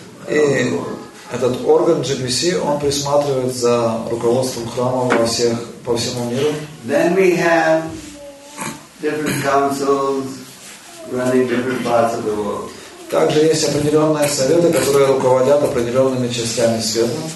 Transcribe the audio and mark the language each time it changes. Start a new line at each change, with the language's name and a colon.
Russian: И этот орган GPC, он присматривает за руководством храмов по всему миру.
English: Then we have different councils running different parts of the world.
Russian: Также есть определенные советы, которые руководят определенными частями света.